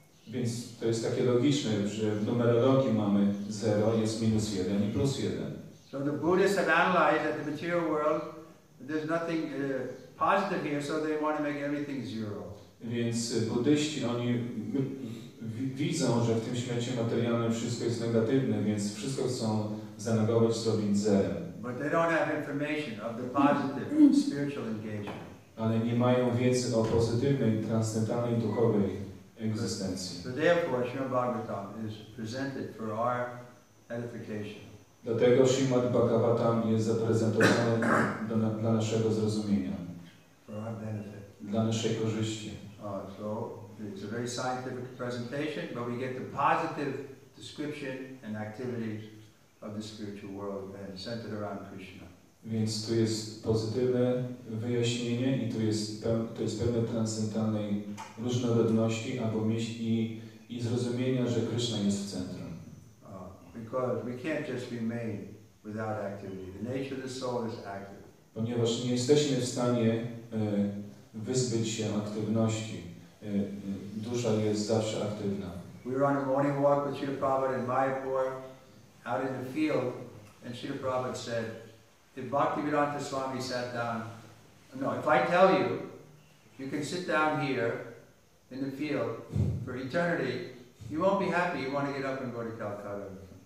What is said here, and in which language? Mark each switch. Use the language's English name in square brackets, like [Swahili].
[Polish] Więc to jest takie logiczne, że w numerologii mamy 0, jest minus 1 i plus 1. [English] So the Buddhists have analyzed that the material world, there's nothing positive here, so they want to make everything zero. [Polish] Więc buddhiści, oni widzą, że w tym świecie materialnym wszystko jest negatywne, więc wszystko chcą zanegować, zrobić 0. [English] But they don't have information of the positive spiritual engagement. [Polish] Ale nie mają wiedzy o pozytywnej, transcendentalnej, duchowej egzystencji. [English] So therefore, Srimad Bhagavatam is presented for our edification. [Polish] Dlatego Srimad Bhagavatam jest zaprezentowany dla naszego zrozumienia. [English] For our benefit. [Polish] Dla naszej korzyści. [English] So it's a very scientific presentation, but we get the positive description and activities of the spiritual world and centered around Krishna. [Polish] Więc tu jest pozytywne wyjaśnienie i to jest pełne transcendentalnej różnorodności albo myśli i zrozumienia, że Krishna jest w centrum. [English] Because we can't just remain without activity. The nature of the soul is active. [Polish] Ponieważ nie jesteśmy w stanie wyzbyć się aktywności. Dusza jest zawsze aktywna. [English] We were on a morning walk with Srila Prabhupada in Mayapur, out in the field, and Srila Prabhupada said, if Bhaktivedanta Swami sat down, no, if I tell you, you can sit down here in the field for eternity, you won't be happy, you want to get up and go to Calcutta.